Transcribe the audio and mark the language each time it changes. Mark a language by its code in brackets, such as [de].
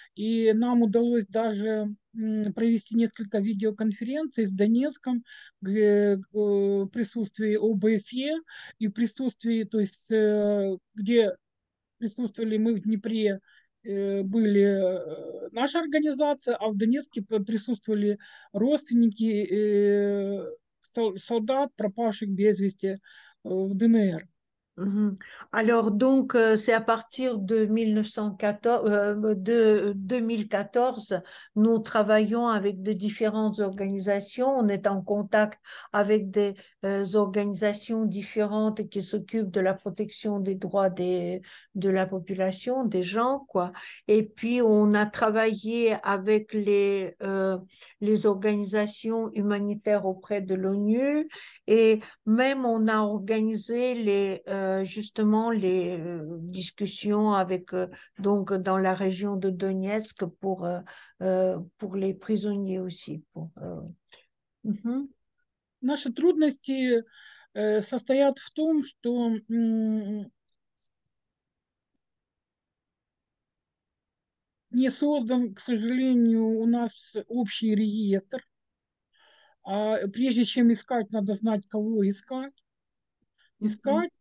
[ru] И нам удалось даже провести несколько видеоконференций с Донецком в присутствии ОБСЕ и в присутствии, то есть где присутствовали мы в Днепре, были наша организация, а в Донецке присутствовали родственники солдат, пропавших без вести в ДНР. [fr] Alors donc c'est à partir de 1914, de 2014, nous travaillons avec de différentes organisations, on est en contact avec des organisations différentes qui s'occupent de la protection des droits de la population, des gens quoi. Et puis on a travaillé avec les organisations humanitaires auprès de l'ONU et même on a organisé les justement les discussions avec donc dans la région de Donetsk pour les prisonniers aussi pour [ru] Наши трудности состоят в том, что не создан, к сожалению, у нас общий реестр. А прежде чем искать, надо знать, кого искать. Искать.